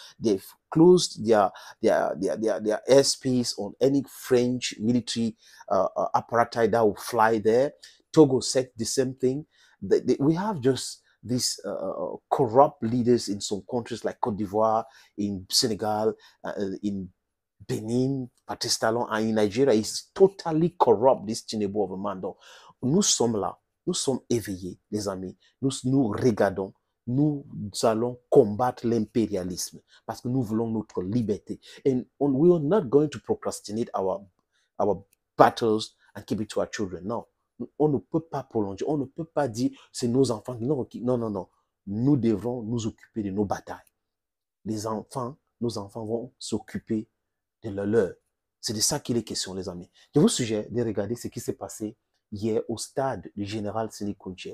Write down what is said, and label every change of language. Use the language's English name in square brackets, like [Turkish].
[English] They've closed their airspace on any French military apparatus that will fly there. Togo said the same thing. We have just these corrupt leaders in some countries like Côte d'Ivoire, in Senegal, in Benin, Patrice Talon, and in Nigeria. It's totally corrupt, this Tinubu of a man. [French] Donc, nous sommes là, nous sommes éveillés, les amis. Nous regardons, nous allons combattre l'impérialisme parce que nous voulons notre liberté. [English] And we are not going to procrastinate our battles and keep it to our children, no. [French] On ne peut pas prolonger, on ne peut pas dire c'est nos enfants. Non, non, non, non. Nous devons nous occuper de nos batailles. Les enfants, nos enfants vont s'occuper de leur leur. C'est de ça qu'il est question, les amis. Je vous suggère de regarder ce qui s'est passé hier au stade du général Sini Koundié.